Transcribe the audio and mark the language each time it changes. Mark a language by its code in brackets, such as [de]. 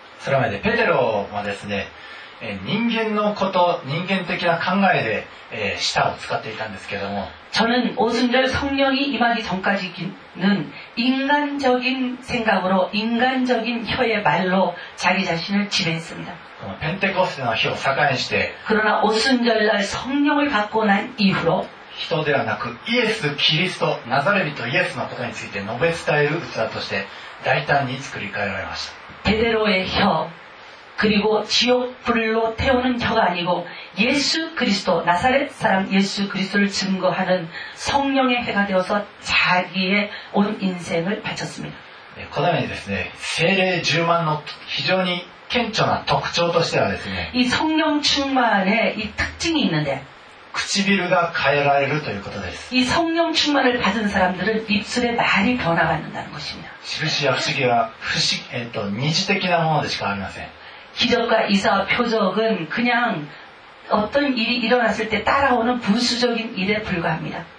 [ja] それまでペテロはですね、人間のこと人間的な考えで舌を使っていたんですけども、 [ko] 저는오순절성령이임하기전까지는인간적인생각으로인간적인혀의말로자기자신을지배했습니다。 [ja] ペンテコステの日を境にして、 [ko] 그러나오순절날성령을갖고난이후로 [ja] 人ではなくイエス・キリスト、ナザレ人イエスのことについて述べ伝える器として大胆に作り変えられました。 [ko] ペテロの혀그리고지옥불로태우는혀가아니고예수그리스도나사렛사람예수그리스도를증거하는성령의해가되어서자기의온인생을바쳤습니다。 [ja] 네、このようにですね、聖霊充満の非常に顕著な特徴としてはですね、 [ko] 이성령충만의이특징이있는데 [ja] 唇が変えられるということです。 [ko] 이성령충만을받은사람들은입술의말이변화받는다는것입니다。 [ja] しるしや不思議は不思議、二次的なものでしかありません。 [ko] 기적과이사와표적은그냥어떤일이일어났을때따라오는부수적인일에불과합니다。